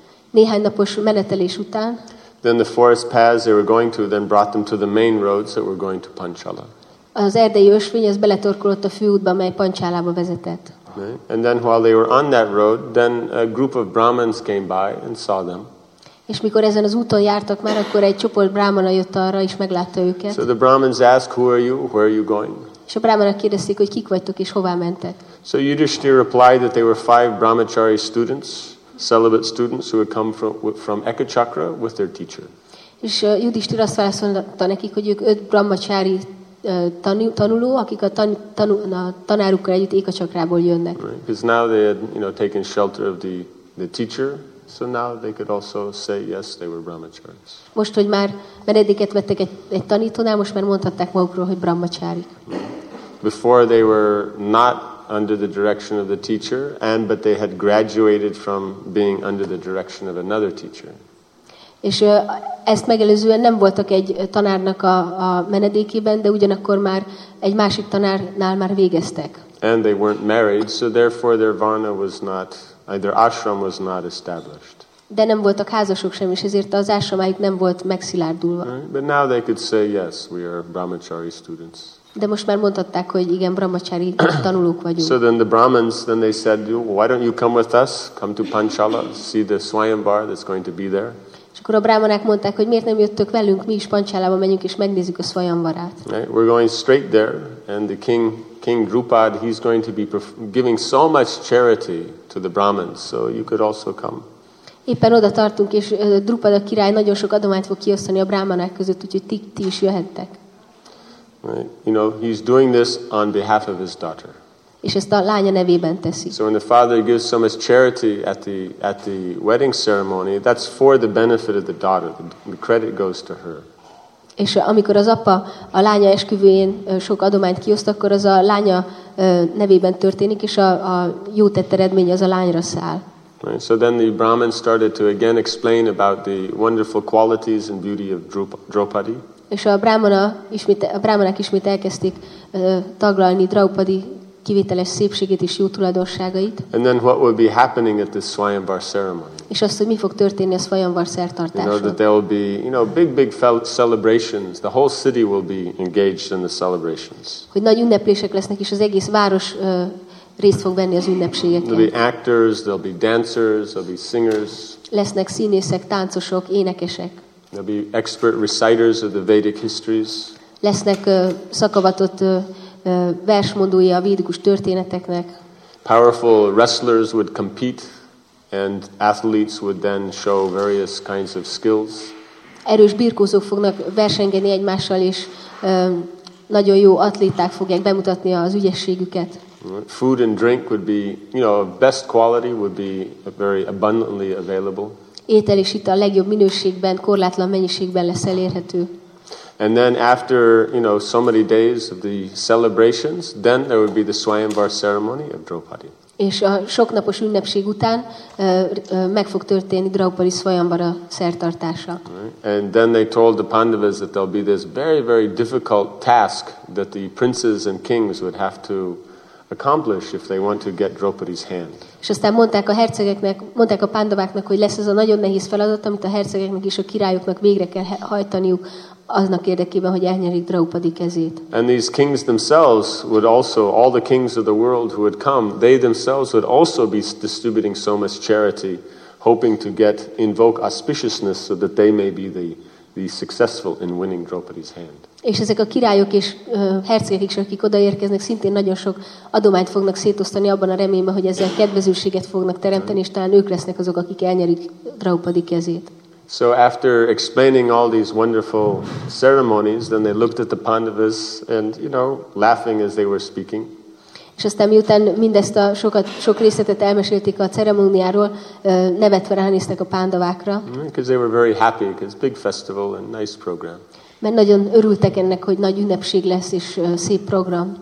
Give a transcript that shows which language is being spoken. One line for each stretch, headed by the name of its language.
Hungarian: néhány napos menetelés után,
English: then the forest paths they were going to then brought them to the main roads that were going to Panchala.
Hungarian: Az erdei ösvény az beletorkolott a főútba, mely Panchalába vezetett.
English: And then while they were on that road, then a group of Brahmins came by and saw them.
Hungarian: És mikor ezen az úton jártak már, akkor egy csoport brahmana jött arra és meglátta őket.
English: So the Brahmins asked, "Who are you? Where are you going?"
Hungarian: És a brahmanak kérdezték, hogy kik vagytok és hová mentek.
English: So Yudhishthira replied that they were five brahmachari students, celibate students who had come from Ekachakra with their teacher.
Hungarian: És Yudhishthira azt válaszolta nekik, hogy ők öt brahmachari tanuló, akik a tanárukkal együtt Ekachakrából jönnek.
English: Right. Because now they had, you know, taken shelter of the teacher. So now they could also say yes, they were brahmacharis.
Hungarian: Most hogy már menedéket vettek egy tanítónál, most már mondhatták magukról, hogy brahmacharik.
English: Before they were not under the direction of the teacher, but they had graduated from being under the direction of another teacher.
Hungarian: És ezt megelőzően nem voltak egy tanárnak a menedékében, de ugyanakkor már egy másik tanárnál már végeztek.
English: And they weren't married, so therefore their varna was not. Their ashram was not established.
Hungarian: De nem voltak házasok sem, és ezért az ashramájuk nem volt megszilárdulva.
English: Right? But now they could say, yes, we are brahmachari students.
Hungarian: De most már mondhatták, hogy igen, brahmachari tanulók vagyunk.
English: So then the Brahmins, then they said, why don't you come with us? Come to Panchala, see the Svayamvara that's going to be there.
Hungarian: És akkor a brahmanák mondták, hogy miért nem jöttök velünk, mi is Panchalába menjünk, és megnézzük a Svayamvarát.
English: Right? We're going straight there, and the King Drupad, he's going to be giving so much charity to the Brahmins, so you could also come.
Hungarian: Éppen oda tartunk, és Drupad a király nagyon sok adományt fog kiosztani a brahmanák között, úgyhogy ti is jöhettek.
English: Right. You know, he's doing this on behalf of his daughter.
Hungarian: És ezt a lánya nevében teszi.
English: So when the father gives so much charity at the wedding ceremony, that's for the benefit of the daughter. The credit goes to her.
Hungarian: És amikor az apa a lánya esküvőjén sok adományt kioszt, akkor az a lánya nevében történik, és a jó tett eredmény az a lányra száll.
English: Right. So then the Brahmin started to again explain about the wonderful qualities and beauty of Draupadi.
Hungarian: És a brahmanak ismét elkezdték taglalni Draupadi kivételes szépségét és jó tulajdonságait.
English: And then what will be happening at the Svayamvara ceremony?
Hungarian: És azt, hogy mi fog történni a Svayamvara szertartáson.
English: You know, that there will be, you know, big celebrations. The whole city will be engaged in the celebrations.
Hungarian: Hogy nagy ünneplések lesznek, és az egész város részt fog venni az ünnepségeken.
English: There'll be actors, there'll be dancers, there'll be singers.
Hungarian: Lesznek színészek, táncosok, énekesek.
English: There'll be expert reciters of the Vedic histories.
Hungarian: Lesznek szakavatott versmondói a védikus történeteknek.
English: Powerful wrestlers would compete, and athletes would then show various kinds of skills.
Hungarian: Erős birkózók fognak versengeni egymással, és nagyon jó atléták fogják bemutatni az ügyességüket.
English: Food and drink would be, you know, best quality would be very abundantly available.
Hungarian: Étel és ital a legjobb minőségben, korlátlan mennyiségben lesz elérhető.
English: And then after, you know, so many days of the celebrations, then there would be the Svayamvara ceremony of Draupadi.
Hungarian: És a sok napos ünnepség után meg fog történni Draupadi Svayamvara szertartása.
English: And then they told the Pandavas that there'll be this very, very difficult task that the princes and kings would have to accomplish if they want to get Draupadi's hand.
Hungarian: És aztán mondták a hercegeknek, mondták a pandaváknak, hogy lesz ez a nagyon nehéz feladat, amit a hercegeknek és a királyoknak végre kell hajtaniuk aznak érdekében, hogy elnyerik Draupadi kezét.
English: And these kings themselves would also, all the kings of the world who had come, they themselves would also be distributing so much charity, hoping to get invoke auspiciousness so that they may be the successful in winning Draupadi's hand.
Hungarian: És ezek a királyok és hercegek is, akik odaérkeznek, szintén nagyon sok adományt fognak szétosztani abban a reményben, hogy ezzel kedvezőséget fognak teremteni, és talán ők lesznek azok, akik elnyerik Draupadi kezét.
English: So after explaining all these wonderful ceremonies, then they looked at the Pandavas and, you know, laughing as they were speaking.
Hungarian: És aztán miután mindezt a sok részletet elmesélték a ceremóniáról, nevetve ránéztek a pandavákra.
English: Because they were very happy, because big festival and nice program.
Hungarian: Mert nagyon örültek ennek, hogy nagy ünnepség lesz és szép program.